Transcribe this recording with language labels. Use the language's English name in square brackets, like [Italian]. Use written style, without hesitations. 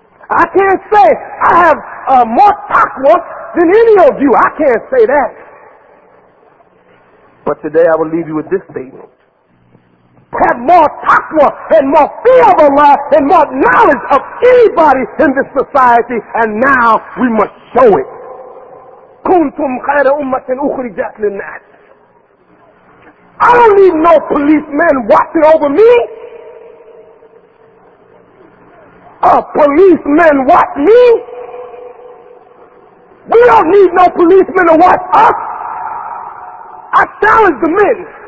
[English] I can't say I have more taqwa than any of you. I can't say that. But today I will leave you with this statement. Have more taqwa and more fear of Allah and more knowledge of anybody in this society, and now we must show it. [Arabic] كنتم خير أمة أخرجت للناس. [English] I don't need no policeman watching over me. A policeman watch me. We don't need no policeman to watch us. I challenge the men.